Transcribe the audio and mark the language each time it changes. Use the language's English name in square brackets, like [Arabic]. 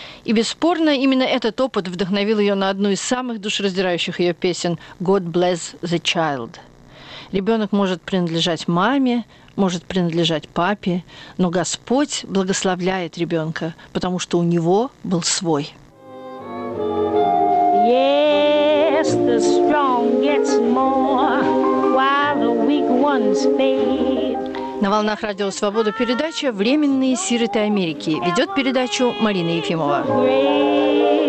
[Russian] И бесспорно, именно этот опыт вдохновил ее на одну из самых душераздирающих ее песен «God Bless the Child». Ребенок может принадлежать маме, может принадлежать папе, но Господь благословляет ребенка, потому что у него был свой. [English] Yes, the strong gets more, while the weak ones fade. [Russian] На волнах радио «Свобода» передача «Временные сироты Америки». Ведет передачу Марина Ефимова.